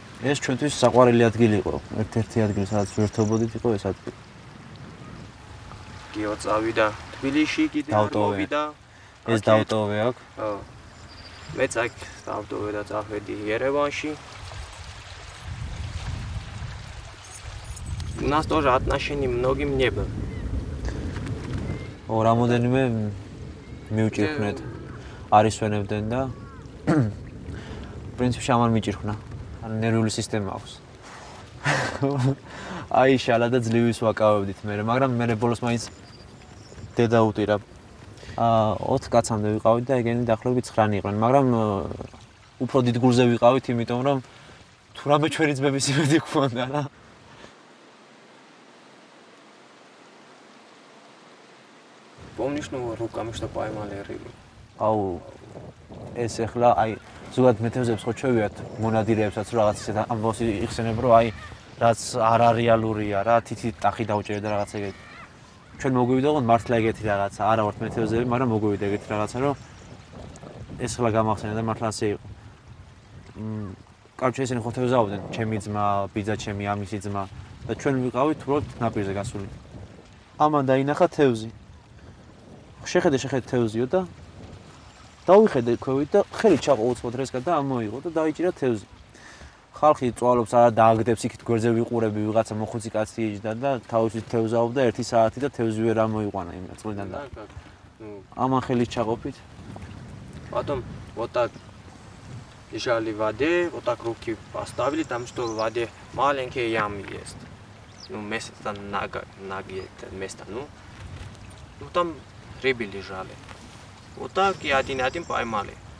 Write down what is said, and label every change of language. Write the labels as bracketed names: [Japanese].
[Georgian] ეს ჩვენთვის საყვარელი ადგილი იყო, ერთ-ერთი ადგილი სადაც ვერთობოდით იყო ეს ადგილი. გიო წავიდა თბილისში კიდე დავტოვებდა. ეს დავტოვე აქ? ხო. მეც აქ დავტოვე და წავედი იერევანში. [Russian] У нас тоже отношения многим не было. [Georgian] О, რამოდენიმე მიუჭირხნეთ. არისვენებდნენ და პრინციპში ამან მიჭირხნა. ან ნერვული სისტემა აქვს. აი შალა და ძლივის ვაკავებდით მერე, მაგრამ მერე ბოლოს მაინც დედა უტირა. აა 4 კაცამდე ვიყავით და ეგენი დაახლოებით 9 იყვნენ, მაგრამ უფრო დიდ გულზე ვიყავით, იმიტომ რომ თურმე ჩვენი ძმების იმედი გქონდა რა. [Russian] помнишь, ну, руками что поймали рыбу. Ау. [Georgian] ეს ახლა აი ზოგად მეთევზებს ხო ჩვევიათ მონადირეებსაც რაღაც ისე ამბავს იხსენებ რომ აი რაც არარეალურია რა თითი ტახი დაუჭერდა რაღაც ეგეთ. ჩვენ მოგვივიდა ხო მართლა ეგეთი რაღაცა, არა ვართ მეთევზები, მაგრამ მოგვივიდა ეგეთი რაღაცა რომ ეს ახლა გამახსენე და მართლა ასე იყო. კარჩო ესენი ხო თევზაობდნენ, ჩემი ძმა, ბიძა ჩემი, ამისი ძმა და ჩვენ ვიყავით უბრალოდ ნაპირზე გასული. ამან დაინახა თევზი. შეხედე შეხედე თევზიო და დავიხედე ქვევით და ხელი ჩაყო უცბად რესკად და ამოიღო და დაიჭირა თევზი. ხალხი წვალობს არა დააგდებს იქით გვერდზე ვიყურები ვიღაცა მოხუცი კაცი ეჯდა და თავისით თევზაობდა 1 საათი და თევზი ვერ ამოიყვანა იმ წვლიდან და ამან ხელი ჩაყოფით. [Russian] Потом вот так лежали в воде, вот так руки поставили, там что в воде маленькие ямы есть. Ну место ноги это место, ну. Ну там рыбы лежали. Вот так и один-один поймали.